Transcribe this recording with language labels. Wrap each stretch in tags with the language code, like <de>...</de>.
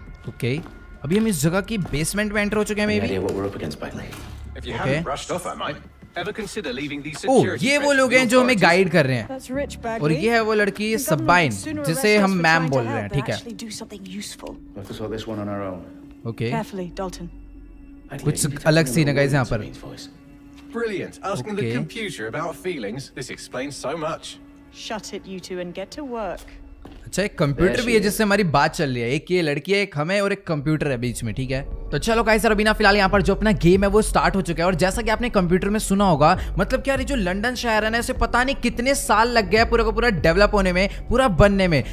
<hi>Okay, अभी हम इस जगह की बेसमेंट में एंटर हो चुके हैं। मे बी ये वो लोग हैं जो हमें गाइड कर रहे हैं, और ये है वो लड़की सबाइन, जिसे हम मैम बोल रहे हैं, ठीक है। ओके, कुछ अलग सीन है गाइस यहाँ पर।</hi> <en>Brilliant. Asking the computer about feelings. This explains so much. Shut it, you two, and get to work.</en> <hi>अच्छा, एक कंप्यूटर भी है जिससे हमारी बात चल रही है, एक ये लड़की है, एक हमें, और एक कंप्यूटर है बीच में, ठीक है। तो चलो गाइस, अभी ना फिलहाल यहाँ पर जो अपना गेम है वो स्टार्ट हो चुका है, और जैसा कि आपने कंप्यूटर में सुना होगा, मतलब क्या, जो लंदन शहर है ना, इसे पता नहीं कितने साल लग गया पूरा का पूरा डेवलप होने में, पूरा बनने में।</hi>